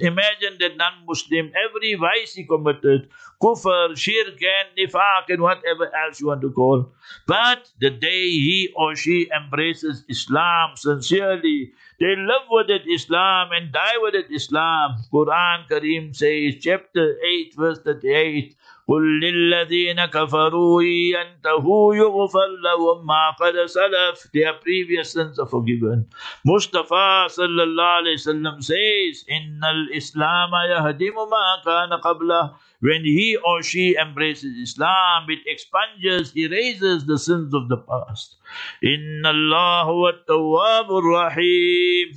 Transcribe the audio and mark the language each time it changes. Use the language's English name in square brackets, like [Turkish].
[English] Imagine that non-Muslim, every vice he committed, kufr, shirk, and nifaq, and whatever else you want to call. But the day he or she embraces Islam sincerely, they live with it Islam and die with it Islam. Quran Kareem says, chapter 8, verse 38, [Arabic] قُلْ لِلَّذِينَ كَفَرُوا يَنْتَهُوا يُغْفَرْ لَهُمْ مَا قَدَ سَلَفْ. [English] Their previous sins are forgiven. [Arabic] Mustafa sallallahu alayhi wa sallam [English] says, [Arabic] إِنَّ الْإِسْلَامَ يَهْدِمُ مَا كَانَ قَبْلَهُ. [English] When he or she embraces Islam, it expunges, erases the sins of the past. [Arabic] إِنَّ اللَّهُ وَالتَّوَّابُ الرَّحِيمُ.